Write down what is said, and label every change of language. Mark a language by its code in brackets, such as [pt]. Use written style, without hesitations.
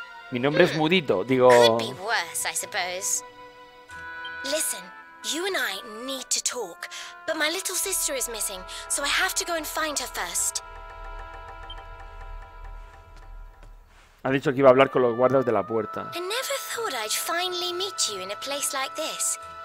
[es] Mi nombre es Mudito, digo. [en] Could be worse, I suppose. Listen, you and I need to talk, but my little sister is missing, so I have to go and find her first. [es] Ha dicho que iba a hablar con los guardas de la puerta. [en] I never thought I'd finally meet you in a place like this.